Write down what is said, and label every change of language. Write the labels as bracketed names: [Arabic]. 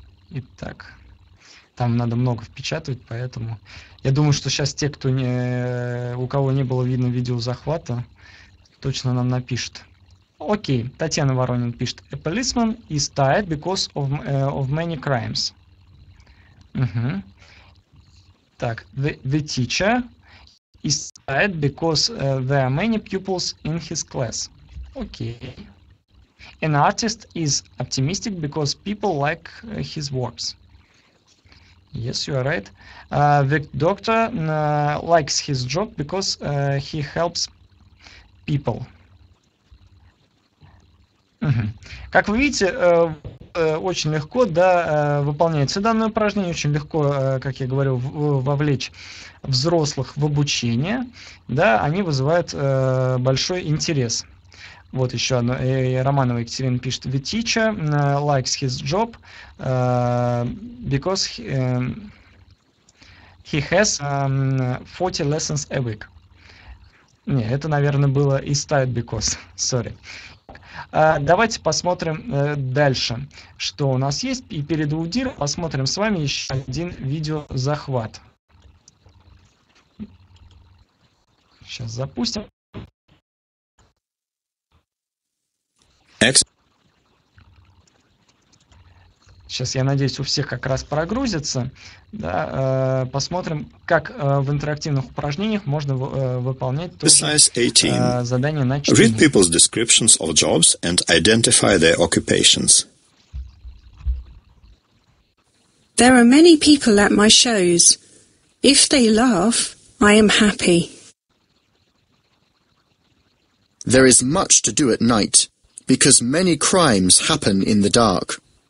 [Russian] Итак, там надо много впечатывать, поэтому я думаю, что сейчас те, кто не, у кого не было видно видеозахвата, точно нам напишут. Окей, Татьяна Воронин пишет. [English] A policeman is tired because of many crimes. [Russian] Угу. Так, [English] the teacher is tired because there are many pupils in his class. [Russian] Окей. [English] An artist is optimistic because people like his works. Yes, you are right. The doctor likes his job because he helps people. [Russian] Как вы видите, очень легко, да, выполняется данное упражнение, очень легко, как я говорю, вовлечь взрослых в обучение, да, они вызывают большой интерес. Вот еще одно. Романова Екатерина пишет. [English] The teacher likes his job because he has 40 lessons a week. [Russian] Не, это, наверное, было [English] is tired because. Sorry. [Russian] Давайте посмотрим дальше, что у нас есть. И перед аудиром посмотрим с вами еще один видеозахват. Сейчас запустим. Сейчас, я надеюсь, у всех как раз прогрузится. Да, посмотрим, как в интерактивных упражнениях можно выполнять задание на чтение. [English] Read people's descriptions of jobs and identify their occupations. There are many people at my shows. If they laugh, I am happy. There is much to do at night. Because many crimes happen in the dark.